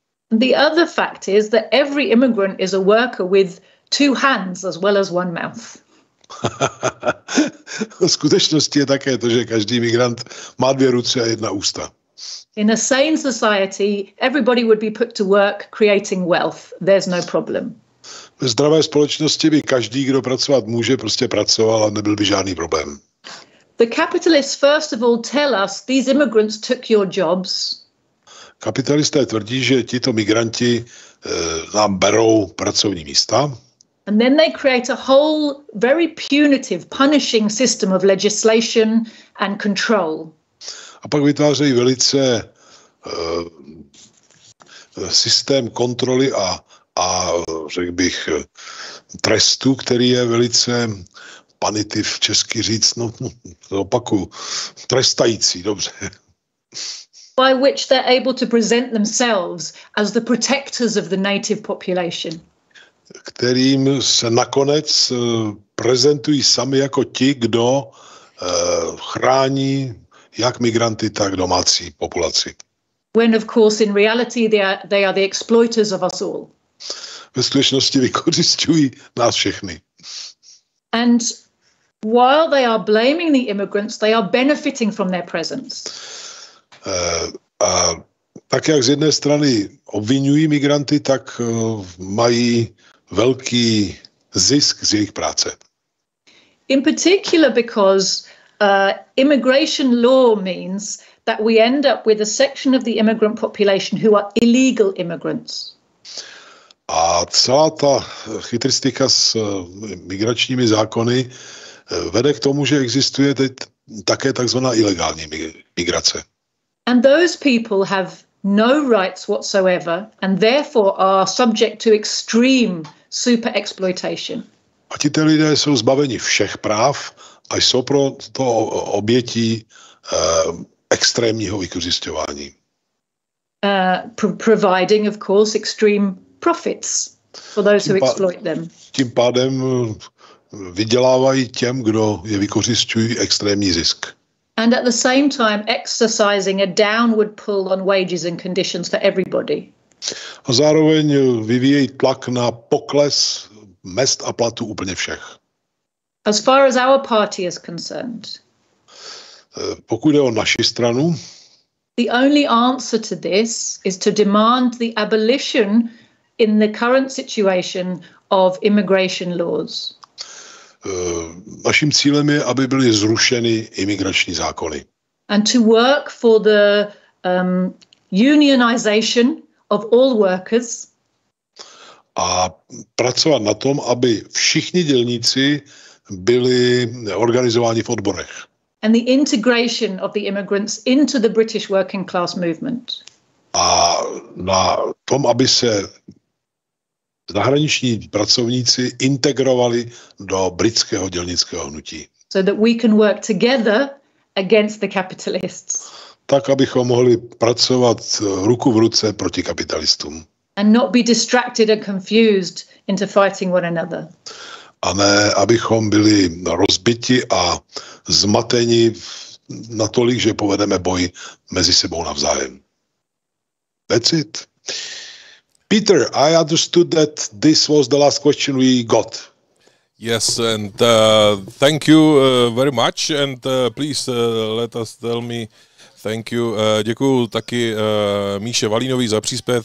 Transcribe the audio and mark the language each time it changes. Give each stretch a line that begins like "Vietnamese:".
English: The other fact is that every immigrant is a worker with two hands as well as one mouth.
Czech: V skutečnosti je také to, že každý imigrant má dvě ruce a jedna ústa.
English: In a sane society, everybody would be put to work creating wealth. There's no problem.
Czech: Ve zdravé společnosti by každý, kdo pracovat může, prostě pracoval a nebyl by žádný problém.
English: The capitalists first of all tell us these immigrants took your jobs.
Czech: Kapitalisté tvrdí, že tito migranti nám berou pracovní místa.
English: And then they create a whole very punitive, punishing system of legislation and control.
Czech: A pak vytvářejí velice systém kontroly a řekl bych trestu, který je velice punitive, česky říct, no opaku, trestající, dobře.
English: By which they're able to present themselves as the protectors of the native population.
Czech: Kterým se nakonec prezentují sami jako ti, kdo chrání jak migranty, tak domácí populaci.
English: When of course in reality they are the exploiters of us all.
Czech: Ve skutečnosti vykořisťují nás všechny.
English: And while they are blaming the immigrants, they are benefiting from their presence.
Czech: A tak jak z jedné strany obvinují migranty, tak mají velký zisk z jejich práce.
English: In particular because immigration law means that we end up with a section of the immigrant population who are illegal immigrants.
Czech: A celá ta chytristika s migračními zákony vede k tomu, že existuje teď také takzvaná ilegální migrace.
English: And those people have no rights whatsoever and therefore are subject to extreme super exploitation.
Czech: A tito lidé jsou zbaveni všech práv a jsou pro to obětí extrémního vykořisťování.
English: Providing of course extreme profits for those who exploit them.
Czech: Tím pádem vydělávají těm, kdo je vykořisťují, extrémní zisk.
English: And at the same time exercising a downward pull on wages and conditions for everybody.
Czech: A zároveň vyvíjí tlak na pokles mest a platu úplně všech.
English: As far as our party is concerned.
Czech: Pokud jde o naši stranu.
English: The only answer to this is to demand the abolition in the current situation of immigration laws.
Czech: Naším cílem je, aby byly zrušeny imigrační zákony.
English: And to work for the unionization of all workers.
Czech: A pracovat na tom, aby všichni dělníci byli organizováni v odborech.
English: And the integration of the immigrants into the British working class movement.
Czech: A na tom, aby se zahraniční pracovníci integrovali do britského dělnického hnutí.
English: So that we can work together against the capitalists.
Czech: Tak, abychom mohli pracovat ruku v ruce proti kapitalistům.
English: And not be distracted and confused into fighting one another.
Czech: A ne, abychom byli rozbiti a zmateni natolik, že povedeme boj mezi sebou navzájem.
English: That's it. Peter, I understood that this was the last question we got. Yes, and thank you very much, and please let us tell me, thank you.
Czech: Děkuju taky Míše Valínovi za příspěvek.